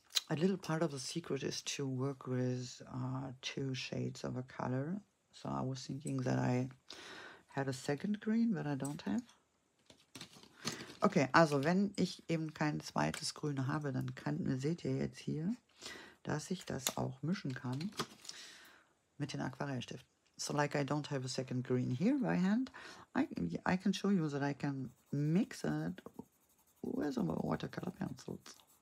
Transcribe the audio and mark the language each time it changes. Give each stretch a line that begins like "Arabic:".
English: A little part of the secret is to work with two shades of a color. So I was thinking that I had a second green, but I don't have.
German: Okay, also wenn ich eben kein zweites Grün habe, dann kann, seht ihr jetzt hier, dass ich das auch mischen kann mit den Aquarellstiften.
English: So like I don't have a second green here by hand, I can show you that I can mix it with some watercolor pencils.